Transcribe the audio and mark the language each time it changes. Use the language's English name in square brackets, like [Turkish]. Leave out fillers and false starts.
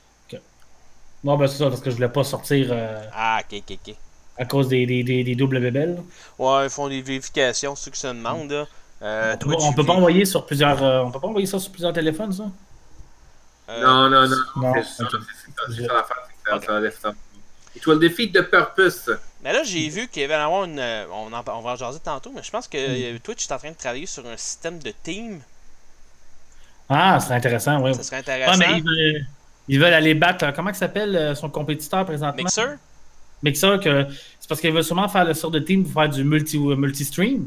[French] Ok. Non, ben c'est ça, parce que je voulais pas sortir. Ok. À cause des doubles bébelles. Ouais, ils font des vérifications, ceux qui se demandent. On peut pas envoyer ça sur plusieurs téléphones, ça. Non. C'est ça l'affaire. [English] Okay. It will defeat the purpose. [French] Mais là, j'ai vu qu'il y avait vraiment une. On va en jaser tantôt, mais je pense que Twitch est en train de travailler sur un système de team. Ah, ce serait intéressant, oui. Ça serait intéressant. Ah, mais ils veulent aller battre. Comment s'appelle son compétiteur présentement? Mixer, que c'est parce qu'il veut sûrement faire le sort de team pour faire du multi-stream.